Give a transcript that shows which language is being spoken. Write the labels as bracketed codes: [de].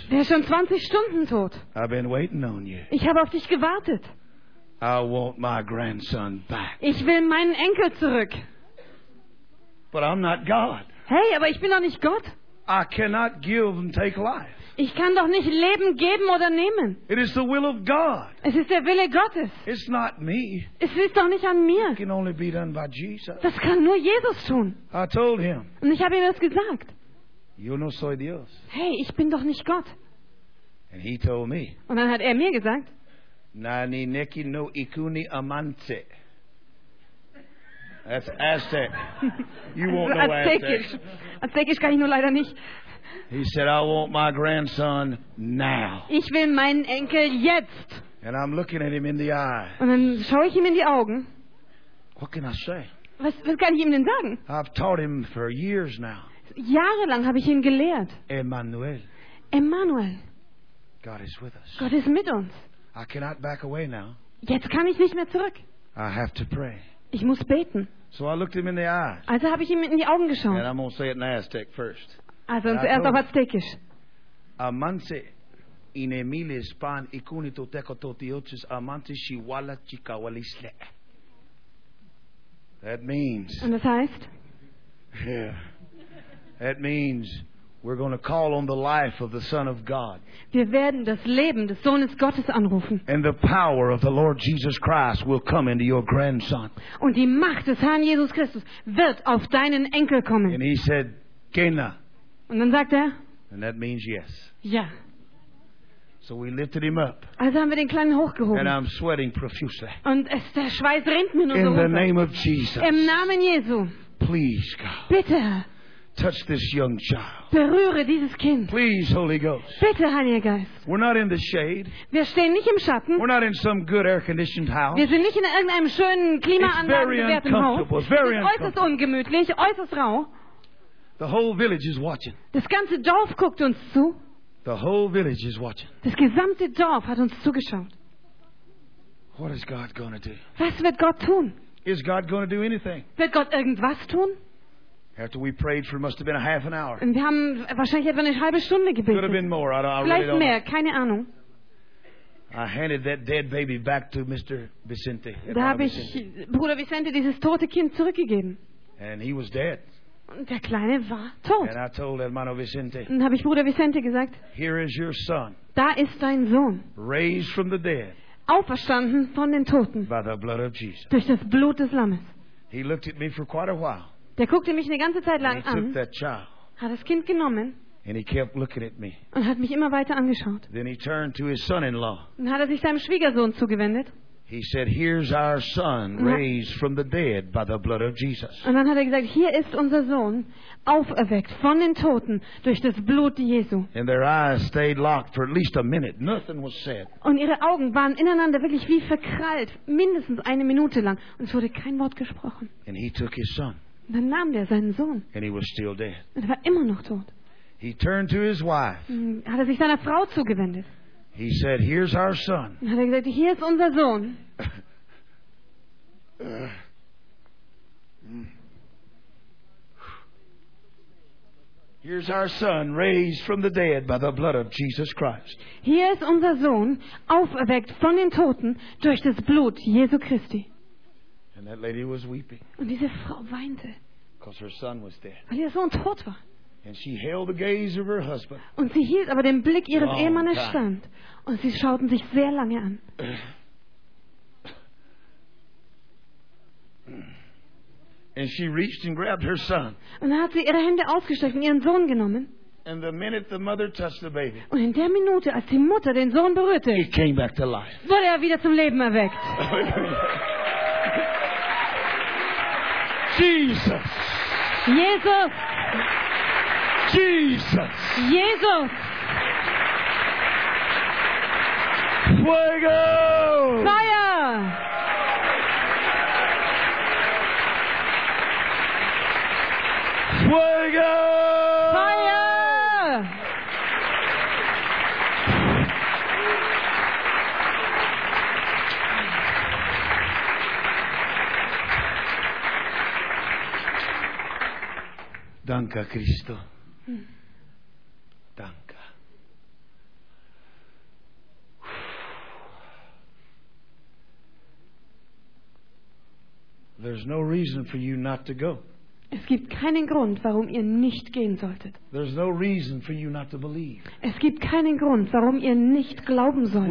[de] Er ist schon 20 Stunden tot. [en] I've been waiting on you. [de] Ich habe auf dich gewartet. [en] I want my grandson back. [de] Ich will meinen Enkel zurück. [en] But I'm not God. [de] Hey, aber ich bin doch nicht Gott. [en] I cannot give and take life. [de] Ich kann doch nicht Leben geben oder nehmen. [en] It is the will of God. [de] Es ist der Wille Gottes. [en] It's not me. [de] Es ist doch nicht an mir. [en] It can only be done by Jesus. [de] Das kann nur Jesus tun. [en] I told him. [de] Und ich habe ihm das gesagt. [es] Yo no soy Dios. [de] Hey, ich bin doch nicht Gott. [en] And he told me. [de] Und dann hat er mir gesagt. [nah] Nani neki no ikuni amante. [en] That's Aztec. You won't know Aztec. [de] Aztecisch kann ich nur leider nicht. [en] He said, I want my grandson now. [de] Ich will meinen Enkel jetzt. [en] And I'm looking at him in the eye. [de] Und dann schaue ich ihm in die Augen. [en] What can I say? [de] Was kann ich ihm denn sagen? [en] I've taught him for years now. [de] Jahrelang habe ich ihn gelehrt. [en] Emmanuel. [de] Emmanuel. [en] God is with us. [de] Gott ist mit uns. [en] I cannot back away now. [de] Jetzt kann ich nicht mehr zurück. [en] I have to pray. [de] Ich muss beten. [en] So I looked him in the eye. [de] Also habe ich ihm in die Augen geschaut. [en] And I'm gonna say it in Aztec first. [de] Also zuerst auf Aztekisch. [nah] Amanse inemiles pan ikunito tekototiotis amanse shiwala chikawalisle. [en] That means. [de] Und das heißt? [en] Yeah. That means. We're going to call on the life of the Son of God. [de] Wir werden das Leben des Sohnes Gottes anrufen. [en] And the power of the Lord Jesus Christ will come into your grandson. [de] Und die Macht des Herrn Jesus Christus wird auf deinen Enkel kommen. [en] And he said, "Kena." [de] Und dann sagt er. [en] And that means yes. [de] Ja. [en] So we lifted him up. [de] Also haben wir den Kleinen hochgehoben. [en] And I'm sweating profusely. [de] Und es, der Schweiß rinnt mir nur [en] in the name of Jesus. [de] Im Namen Jesu. [en] Please, God. [de] Bitte. [en] Touch this young child. [de] Berühre dieses Kind. [en] Please, Holy Ghost. [de] Bitte, Heiliger Geist. [en] We're not in the shade. [de] Wir stehen nicht im Schatten. [en] We're not in some good air-conditioned house. [de] Wir sind nicht in irgendeinem schönen klimaanlagengewährten Haus. [en] Very [de] es ist äußerst ungemütlich, äußerst rau. [en] The whole village is watching. [de] Das ganze Dorf guckt uns zu. [en] The whole village is watching. [de] Das gesamte Dorf hat uns zugeschaut. [en] What is God gonna do? [de] Was wird Gott tun? [en] Is God gonna do anything? [de] Wird Gott irgendwas tun? [en] After we prayed for, it must have been a half an hour. [de] Wir haben wahrscheinlich etwa eine halbe Stunde gebetet. [en] Could have been more. [de] Vielleicht [en] really [de] mehr, keine Ahnung. [en] I handed that dead baby back to Mr. Vicente. [de] Da habe ich Bruder Vicente dieses tote Kind zurückgegeben. [en] And he was dead. [de] Und der Kleine war tot. [en] And I told hermano Vicente. [de] Und habe ich Bruder Vicente gesagt. [en] Here is your son. [de] Da ist dein Sohn. [en] Raised from the dead. [de] Auferstanden von den Toten. [en] By the blood of Jesus. [de] Durch das Blut des Lammes. [en] He looked at me for quite a while. [de] Der guckte mich eine ganze Zeit lang an, [en] child, [de] hat das Kind genommen [en] and he kept looking at me. [de] Und hat mich immer weiter angeschaut. [en] Then he turned to his son-in-law. [de] Dann hat er sich seinem Schwiegersohn zugewendet. [en] He said, "Here's our son raised from the dead by the blood of Jesus." [de] Und dann hat er gesagt, hier ist unser Sohn auferweckt von den Toten durch das Blut Jesu. [en] And their eyes stayed locked for at least a minute. Nothing was said. [de] Und ihre Augen waren ineinander wirklich wie verkrallt, mindestens eine Minute lang, und es wurde kein Wort gesprochen. [en] And he took his son. [de] Dann nahm der seinen Sohn. [en] And he was still dead. [de] Und er war immer noch tot. [en] He turned to his wife. [de] Hat er sich seiner Frau zugewendet. [en] He said, "Here's our son." [de] Und hat er gesagt, hier ist unser Sohn. [en] Here's our son raised from the dead by the blood of Jesus Christ. [de] Hier ist unser Sohn auferweckt von den Toten durch das Blut Jesu Christi. [en] And that lady was weeping. [de] Und diese Frau weinte. [en] Because her son was dead. [de] Weil ihr Sohn tot war. [en] And she held the gaze of her husband. [de] Und sie hielt aber den Blick ihres Ehemannes stand. Und sie schauten sich sehr lange an. [en] And she reached and grabbed her son. [de] Und dann hat sie ihre Hände ausgestreckt und ihren Sohn genommen. [en] And the minute the mother touched the baby, [de] und in der Minute, als die Mutter den Sohn berührte, [en] he came back to life. [de] Wurde er wieder zum Leben erweckt. Jesus! Jesus! Jesus! Jesus! [es] Fuego! [en] Fire! [es] Fuego! [en] Fire! [de] Danke, Cristo. Danke. [en] There's no reason for you not to go. [de] Es gibt keinen Grund, warum ihr nicht gehen solltet. [en] There's no reason for you not to believe. [de] Es gibt keinen Grund, warum ihr nicht glauben solltet.